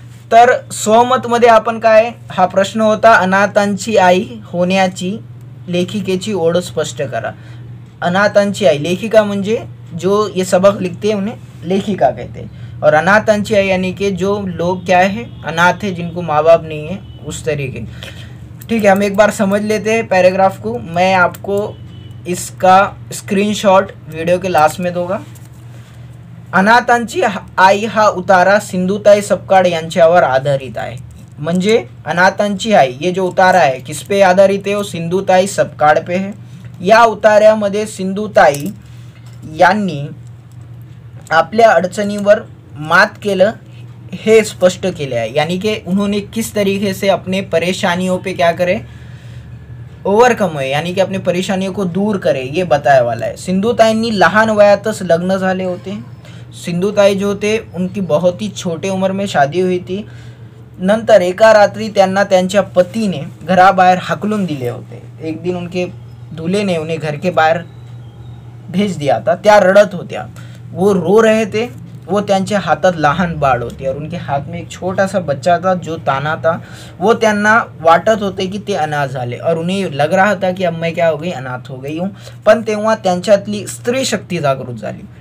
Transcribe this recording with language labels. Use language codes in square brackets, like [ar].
[mr] तर स्वमत मध्ये आपण काय, हा प्रश्न होता अनाथांची आई होण्याची लेखिकेची ओढ स्पष्ट करा। अनाथांची आई लेखिका म्हणजे [hi] जो ये सबक लिखते हैं उन्हें लेखिका कहते हैं, और अनाथांची आई यानी कि जो लोग क्या है अनाथ है जिनको माँ बाप नहीं है उस तरीके। ठीक है, हम एक बार समझ लेते हैं पैराग्राफ को, मैं आपको इसका स्क्रीनशॉट वीडियो के लास्ट में दूंगा। [mr] अनाथांची आई हा उतारा सिंधुताई सपकाळ यांच्यावर आधारित आहे, म्हणजे अनाथांची आई ये जो उतारा आहे किस पे आधारित आहे, [hi] सिंधुताई सपकाळ पे है। [mr] या उतारामध्ये सिंधुताई यांनी आपल्या अडचणीवर मात केलं हे स्पष्ट केले आहे. [hi] यानी कि उन्होंने किस तरीके से अपने परेशानियों पे क्या करे ओवरकम है, यानी कि अपने परेशानियों को दूर करे, ये बताया वाला है. [mr] सिंधुताईंनी लहान वयातच लग्न झाले होते. [hi] सिंधुताई जो होते उनकी बहुत ही छोटे उम्र में शादी हुई थी. [mr] नंतर एका रात्री त्यांना त्यांच्या पतीने घराबाहेर हाकलून दिले होते. [hi] एक दिन उनके दूल्हे ने उन्हें घर के बाहर भेज दिया था. [mr] त्या रड़त होत्या, [hi] वो रो रहे थे. [mr] वो त्यांच्या हातात लहान बाळ होती [hi] और उनके हाथ में एक छोटा सा बच्चा था जो ताना था. [mr] वो त्यांना वाटत होते कि ते अनाथ झाले [hi] और उन्हें लग रहा था कि अब मैं क्या हो गई, अनाथ हो गई हूँ. [mr] पण तेव्हा त्यांच्यातली स्त्री शक्ति जागृत झाली.